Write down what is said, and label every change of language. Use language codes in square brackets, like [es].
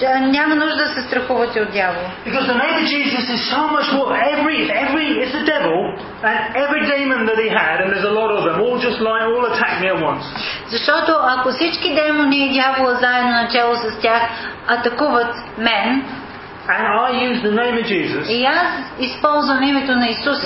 [bg] Няма нужда да се страхувате от дявола. [en] Because the name of Jesus is so much more. Every it's the devil and every demon that he had, and there's a lot of them, all just lie, all attack me at once. [bg] Защото ако всички демони и дявола заедно начело с тях атакуват мен. [en] And I use the name of Jesus. [bg] И аз използвам името на Исус